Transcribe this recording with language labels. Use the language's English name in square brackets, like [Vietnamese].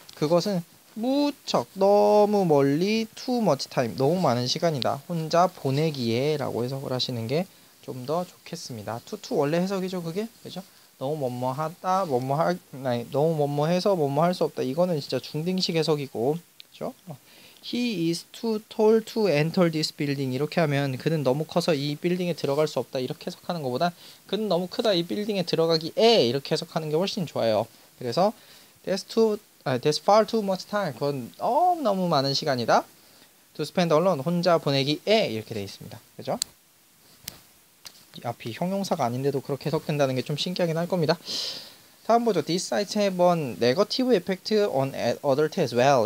[Korean] 그것은 무척, 너무 멀리, [English] too much time, [Korean] 너무 많은 시간이다, 혼자 보내기에 라고 해석을 하시는 게 좀 더 좋겠습니다. 투투 원래 해석이죠, 그게? 그죠? 너무 뭐뭐하다, 너무 뭐뭐해서 뭐뭐 할 수 없다. 이거는 진짜 중등식 해석이고, 그죠? [English] He is too tall to enter this building. [Korean] 이렇게 하면 그는 너무 커서 이 빌딩에 들어갈 수 없다. 이렇게 해석하는 것보다 그는 너무 크다, 이 빌딩에 들어가기에 이렇게 해석하는 게 훨씬 좋아요. 그래서 [English] that's far too much time. [Korean] 그건 너무 너무 많은 시간이다. [English] To spend alone, [Korean] 혼자 보내기에 이렇게 돼 있습니다. 그죠? 앞이 형용사가 아닌데도 그렇게 해석된다는 게 좀 신기하긴 할 겁니다. 다음 보죠. [English] This site have a negative effect on adults as well.